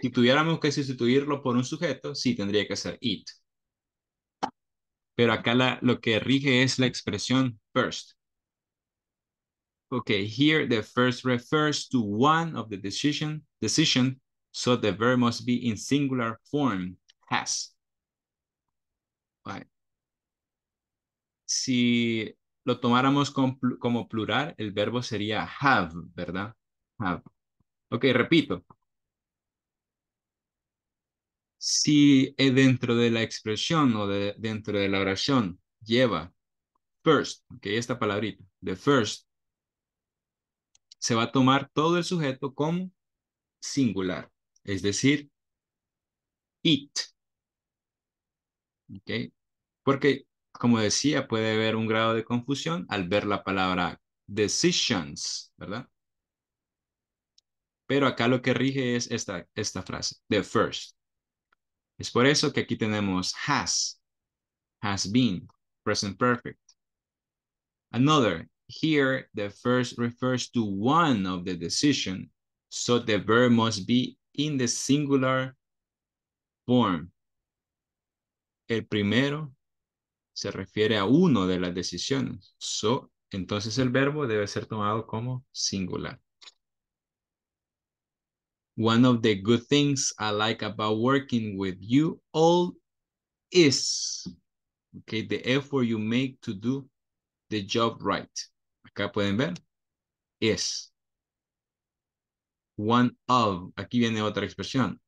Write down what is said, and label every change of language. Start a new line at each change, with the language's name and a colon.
Spanish: Si tuviéramos que sustituirlo por un sujeto, sí, tendría que ser it. Pero acá lo que rige es la expresión first.
English: Okay, here the first refers to one of the decision, so the verb must be in singular form, has.
Spanish: Si lo tomáramos como plural, el verbo sería have, ¿verdad? Have. Ok, repito. Si dentro de la expresión o dentro de la oración lleva first, ok, esta palabrita, the first, se va a tomar todo el sujeto como singular, es decir, it. Ok, porque como decía, puede haber un grado de confusión al ver la palabra decisions, ¿verdad? Pero acá lo que rige es esta frase, the first. Es por eso que aquí tenemos has been, present perfect.
English: Another, here the first refers to one of the decision, so the verb must be in the singular form.
Spanish: El primero se refiere a uno de las decisiones. So, entonces el verbo debe ser tomado como singular.
English: One of the good things I like about working with you all is, okay, the effort you make to do the job right.
Spanish: Acá pueden ver, is. One of, aquí viene otra expresión.